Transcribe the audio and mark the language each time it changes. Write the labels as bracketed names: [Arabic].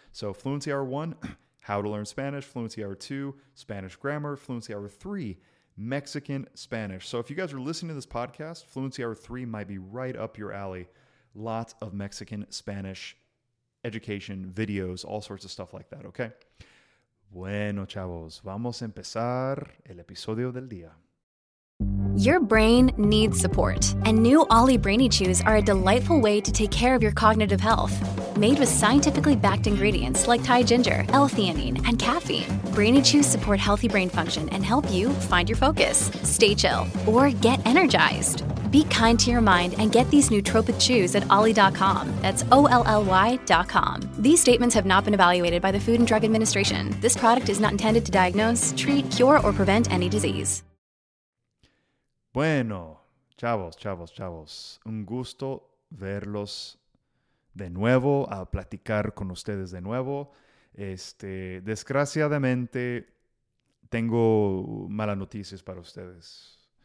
[English] So Fluency Hour 1, How to Learn Spanish. Fluency Hour 2, Spanish Grammar. Fluency Hour 3, Mexican Spanish. So if you guys are listening to this podcast, Fluency Hour 3 might be right up your alley. Lots of Mexican Spanish education, videos, all sorts of stuff like that, okay? [Spanish] Bueno, chavos, vamos a empezar el episodio del día. [English] Your brain needs support, and new Ollie Brainy Chews are a delightful way to take care of your cognitive health. Made with scientifically backed ingredients like Thai ginger, L-theanine, and caffeine, Brainy Chews support healthy brain function and help you find your focus, stay chill, or get energized. Be kind to your mind and get these nootropic chews at Ollie.com. That's Olly.com. These statements have not been evaluated by the Food and Drug Administration. This product is not intended to diagnose, treat, cure, or prevent any disease. [Spanish] Bueno, chavos, un gusto verlos de nuevo, a platicar con ustedes de nuevo. Desgraciadamente, tengo malas noticias para ustedes.